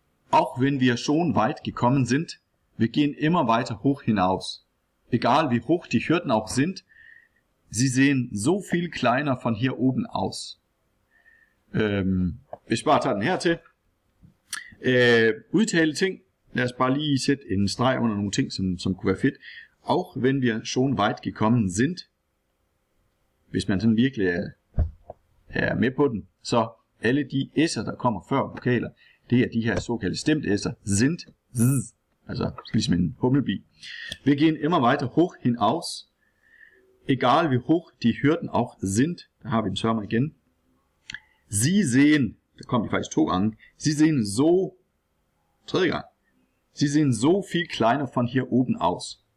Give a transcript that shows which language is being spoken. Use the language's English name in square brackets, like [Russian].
[German] Auch wenn wir schon weit gekommen sind, wir gehen immer weiter hoch hinaus. Egal wie hoch die Hürden auch sind, sie sehen so viel kleiner von hier oben aus. [Danish] Ich bare tager den her til. Udtale ting. Lad os bare lige sætte en streg under nogle ting, som kunne være fedt. [German] Auch wenn wir schon weit gekommen sind. [Danish] Hvis man sådan virkelig er med på den, så alle de s'er, der kommer før vokaler, det er de her såkaldte stemte s'er. Sind. Zzz, altså ligesom en hummelbi. [German] Wir gehen immer weiter hoch hinaus. Egal wie hoch die Hürden auch sind. [Danish] Der har vi den sørmer igen. [German] Sie sehen, [Danish] der kommer de faktisk to gange. [German] Sie sehen so, [Danish] tredje gang. [German] Sie sehen so viel kleiner von hier oben aus.